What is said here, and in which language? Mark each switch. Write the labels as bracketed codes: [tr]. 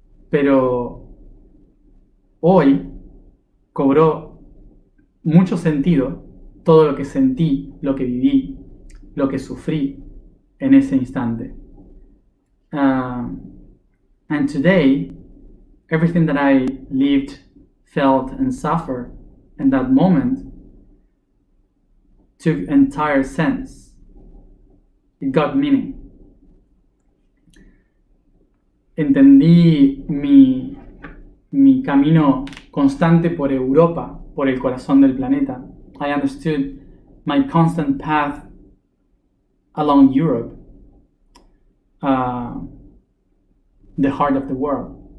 [es] Pero hoy cobró mucho sentido todo lo que sentí, lo que viví, lo que sufrí en ese instante. [en] And today, everything that I lived, felt, and suffered in that moment took entire sense. It got meaning. [es] Entendí mi camino constante por Europa, por el corazón del planeta. [en] I understood my constant path along Europe, the heart of the world.